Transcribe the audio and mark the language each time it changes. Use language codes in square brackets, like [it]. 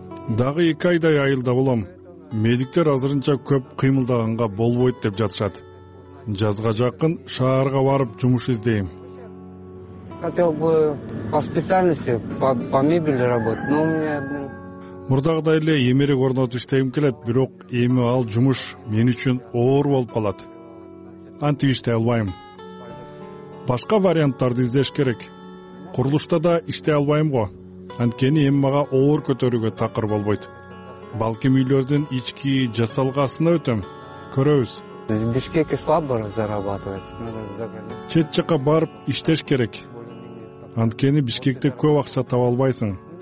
[ky] Дагы 2 айдай айылда болом. Медиктер азырынча көп кыймылдаганга болбойт деп жатышат. Жазга жакын шаарга барып жумуш издейм. [ru] Хотел бы по специальности, по мебели работать, но у меня... [ky] Мурдагыдай эле эмерек орнотуп иштегим келет, бирок эми ал жумуш мен үчүн оор болуп калат. Антип иштей албайм. Башка варианттарды издеш керек. Курулушта да иштей албайм го. Анткени эми мага оор көтөрүүгө такыр болбойт. Балким үйлөрдүн ички жасалгасына өтөм. Көрөбүз. [ru] Бишкекке слабо зарабатывать. [ky] Чет жака барып иштеш керек. Анткени Бишкекте көп акча таба албайсың.